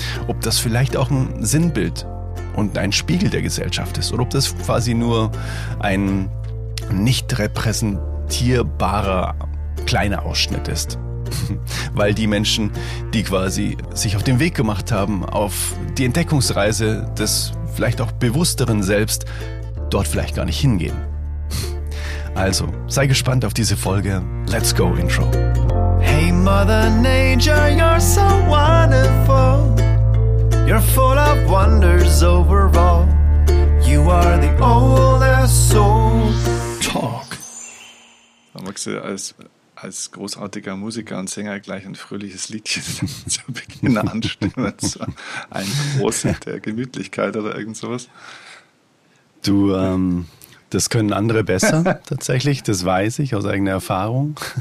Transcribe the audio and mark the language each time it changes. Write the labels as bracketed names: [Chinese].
[German] Ob das vielleicht auch ein Sinnbild und ein Spiegel der Gesellschaft ist oder ob das quasi nur ein nicht repräsentierbarer kleiner Ausschnitt ist. Weil die Menschen, die quasi sich auf den Weg gemacht haben, auf die Entdeckungsreise des vielleicht auch bewussteren Selbst, dort vielleicht gar nicht hingehen. Also, sei gespannt auf diese Folge. [English] Let's go, Intro. Hey Mother Nature, you're so wonderful. You're full of wonders overall. You are the oldest soul. Talk. [German] Da magst du als großartiger Musiker und Sänger gleich ein fröhliches Liedchen zu Beginn anstimmen. So ein Großteil der Gemütlichkeit oder irgend sowas. Du, das können andere besser tatsächlich, das weiß ich aus eigener Erfahrung.